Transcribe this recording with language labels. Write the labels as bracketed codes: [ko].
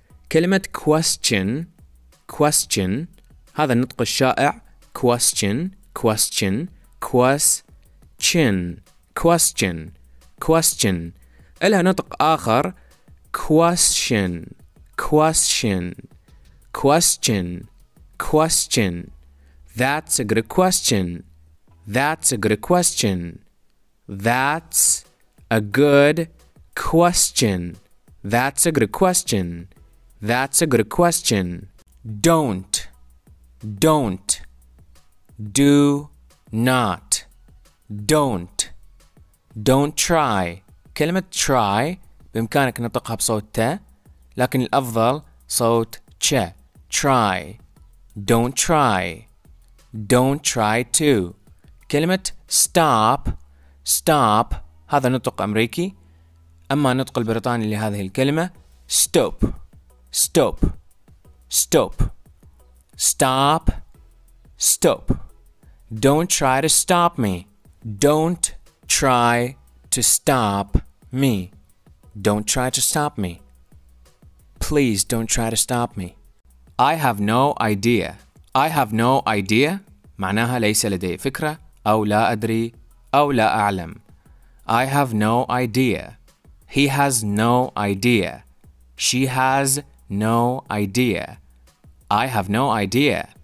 [ar] كلمة question, question, هذا النطق الشائع. [en] Question, question, question, question, question. [ar] إلها نطق آخر. [en] Question, question, question, question. That's a good question. That's a good question. That's a good question. That's a good question. That's a good question. Don't, don't, do not, don't, don't try. [ar] كلمة try بإمكانك نطقها بصوت ت، لكن الأفضل صوت ش. [en] Try. Don't try. Don't try to. [ar] كلمة stop. Stop. هذا نطق أمريكي. أما نطق البريطاني لهذه الكلمة stop. [en] Stop. Stop. Stop. Stop. Don't try to stop me. Don't try to stop me. Don't try to stop me. Please don't try to stop me. I have no idea. I have no idea. [ar] معناها ليس لدي فكرة أو لا أدري أو لا أعلم. [en] I have no idea. He has no idea. She has no idea. I have no idea.